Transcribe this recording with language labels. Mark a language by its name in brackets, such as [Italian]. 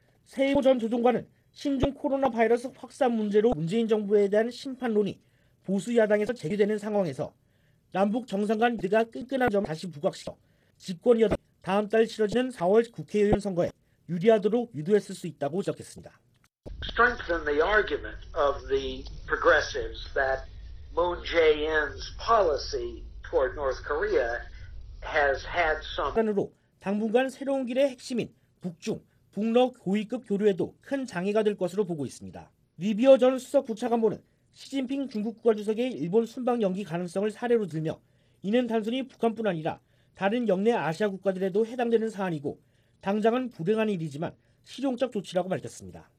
[Korean] 세이모 전 조정관은 신종 코로나 바이러스 확산 문제로 문재인 정부에 대한 심판론이 보수 야당에서 제기되는 상황에서 남북 정상 간 리드가 끈끈한 점을 다시 부각시켜 집권 여당 다음 달 치러지는 4월 국회의원 선거에 유리하도록 유도했을 수 있다고 지적했습니다. [English] Strengthen the argument of the progressives that Moon Jae-in's policy toward North Korea has had some. [Korean] 한으로 당분간 새로운 길의 핵심인 북중 북러 고위급 교류에도 큰 장애가 될 것으로 보고 있습니다. 리비어 전 수석 부차관보는 시진핑 중국 국가주석의 일본 순방 연기 가능성을 사례로 들며 이는 단순히 북한뿐 아니라 다른 영내 아시아 국가들에도 해당되는 사안이고 당장은 불행한 일이지만 실용적 조치라고 밝혔습니다.